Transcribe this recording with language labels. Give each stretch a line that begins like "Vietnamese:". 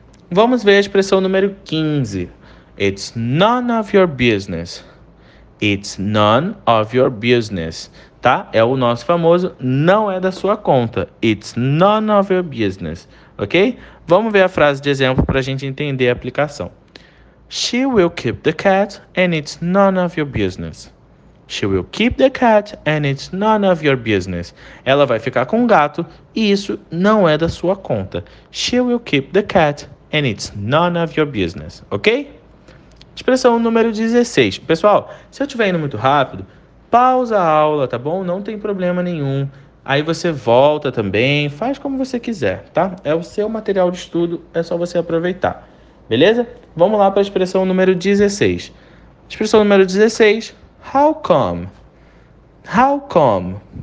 Portuguese: Vamos ver a expressão número 15.
English: It's none of your business. It's none of your business. Tá?
Portuguese: É o nosso famoso não é da sua conta.
English: It's none of your business.
Portuguese: Ok? Vamos ver a frase de exemplo para a gente entender a aplicação.
English: She will keep the cat and it's none of your business. She will keep the cat and it's none of your business.
Portuguese: Ela vai ficar com o gato e isso não é da sua conta.
English: She will keep the cat and it's none of your business, ok?
Portuguese: Expressão número 16. Pessoal, se eu estiver indo muito rápido, pausa a aula, tá bom? Não tem problema nenhum. Aí você volta também, faz como você quiser, tá? É o seu material de estudo, é só você aproveitar, beleza? Vamos lá para a expressão número 16. Expressão número 16,
English: how come? How come?